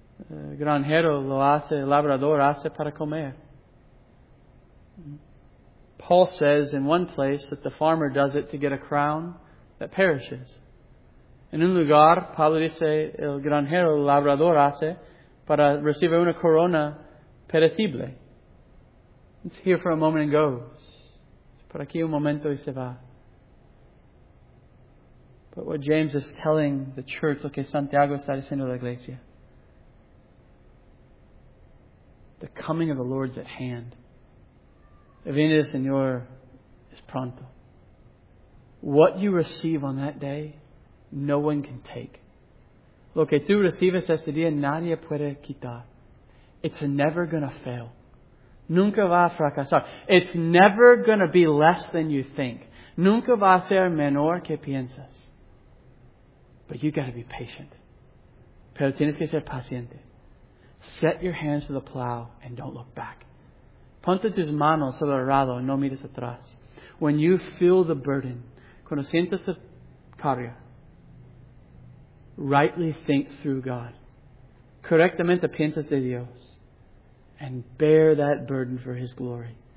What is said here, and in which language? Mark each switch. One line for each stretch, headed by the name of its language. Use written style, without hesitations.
Spanish: El granjero lo hace, el labrador hace para comer.
English: Paul says in one place that the farmer does it to get a crown that perishes.
Spanish: En un lugar, Pablo dice, el granjero, el labrador hace para recibir una corona perecible.
English: It's here for a moment and goes.
Spanish: Por aquí un momento y se va.
English: But what James is telling the church,
Spanish: lo que Santiago está diciendo a la iglesia,
English: the coming of the Lord's at hand.
Spanish: El viene del Señor es pronto.
English: What you receive on that day, no one can take.
Spanish: Lo que tú recibes ese día, nadie puede quitar.
English: It's never going to fail.
Spanish: Nunca va a fracasar.
English: It's never going to be less than you think.
Spanish: Nunca va a ser menor que piensas.
English: But you got to be patient.
Spanish: Pero tienes que ser paciente.
English: Set your hands to the plow and don't look back.
Spanish: Ponte tus manos sobre el arado y no mires atrás.
English: When you feel the burden,
Spanish: cuando sientes la carga,
English: rightly think through God.
Spanish: Correctamente piensas de Dios.
English: And bear that burden for His glory.